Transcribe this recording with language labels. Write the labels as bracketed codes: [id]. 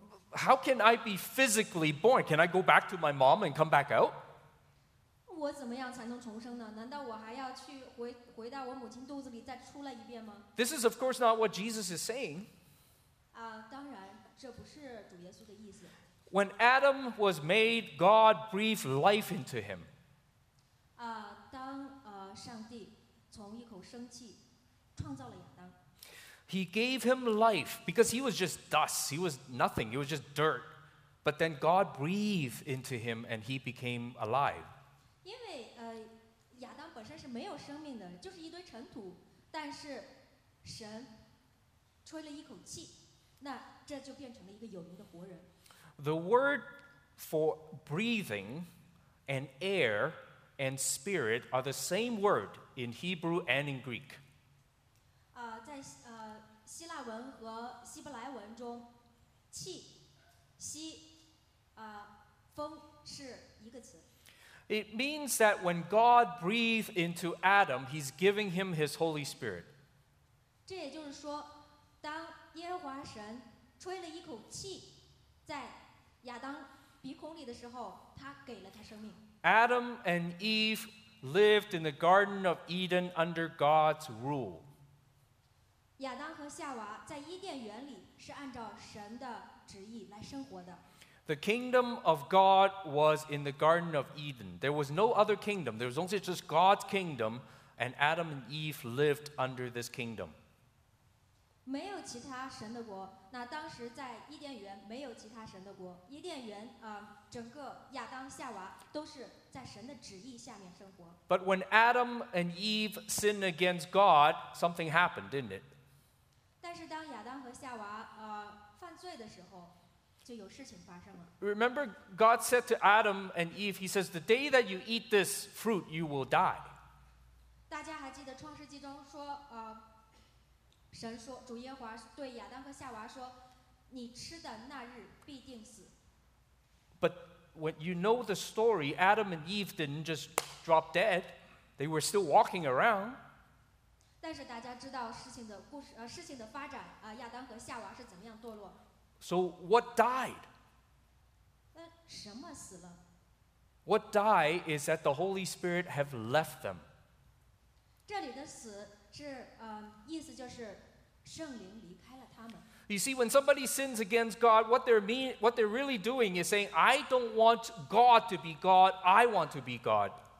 [en] How can I be physically born? Can I go back to my mom and come back out? [zh] 我怎么样才能重生呢？难道我还要去 回到我母亲肚子里再出来一遍吗？ [en] This is of course not what Jesus is saying. [zh] 当然，这不是主耶稣的意思。 [en] When Adam was made, God breathed life into him. [zh] 当上帝从一口生气创造了亚当。 [en] He gave him life because he was just dust. He was nothing. He was just dirt. But then God breathed into him and he became alive. [zh] 因为亚当本身是没有生命的，就是一堆尘土。但是神吹了一口气，那这就变成了一个有灵的活人。 [en] The word for breathing and air and spirit are the same word in Hebrew and in Greek. [zh] 在希腊文和希伯来文中，气、息、风是一个词。 [en] It means that when God breathed into Adam, He's giving him His Holy Spirit. [zh] 这也就是说，当耶和华神吹了一口气在亚当鼻孔里的时候，他给了他生命。 [en] Adam and Eve lived in the Garden of Eden under God's rule. [zh] 亚当和夏娃在伊甸园里是按照神的旨意来生活的。 [en] The kingdom of God was in the Garden of Eden. There was no other kingdom. There was only just God's kingdom, and Adam and Eve lived under this kingdom. [zh] 没有其他神的国。那当时在伊甸园没有其他神的国。伊甸园整个亚当夏娃都是在神的旨意下面生活。 [en] But when Adam and Eve sinned against God, something happened, didn't it? [zh] 但是当亚当和夏娃犯罪的时候，就有事情发生了。 [en] Remember, God said to Adam and Eve, He says, "The day that you eat this fruit, you will die." [zh] 大家还记得创世纪中说，神说主耶和华对亚当和夏娃说，你吃的那日必定死。 [en] But when you know the story, Adam and Eve didn't just drop dead; they were still walking around. [zh] 但是大家知道事情的故事，事情的发展，亚当和夏娃是怎么样堕落。 [en] So what died? [zh] 什么死了？ [en] What died is that the Holy Spirit have left them. [zh] 这里的死是，意思就是圣灵离开了他们。 [en] You see, when somebody sins against God, what they're really doing is saying, I don't want God to be God, I want to be God.